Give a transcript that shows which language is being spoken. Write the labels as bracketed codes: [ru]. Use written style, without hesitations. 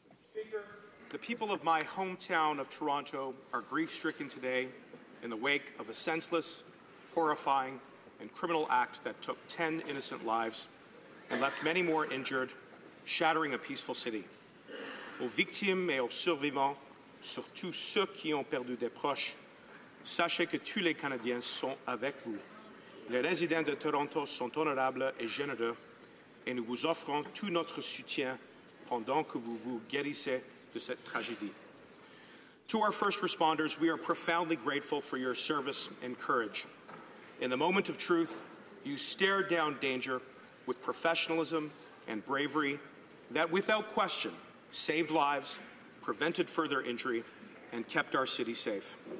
[en] Speaker, the people of my hometown of Toronto are grief-stricken today in the wake of a senseless, horrifying, and criminal act that took 10 innocent lives and left many more injured, shattering a peaceful city. [fr] Aux victimes et aux survivants, surtout ceux qui ont perdu des proches, sachez que tous les Canadiens sont avec vous. Les résidents de Toronto sont honorables et généreux, et nous vous offrons tout notre soutien pendant que vous vous guérissez de cette tragédie. [en] To our first responders, we are profoundly grateful for your service and courage. In the moment of truth, you stared down danger with professionalism and bravery that, without question, saved lives, prevented further injury, and kept our city safe.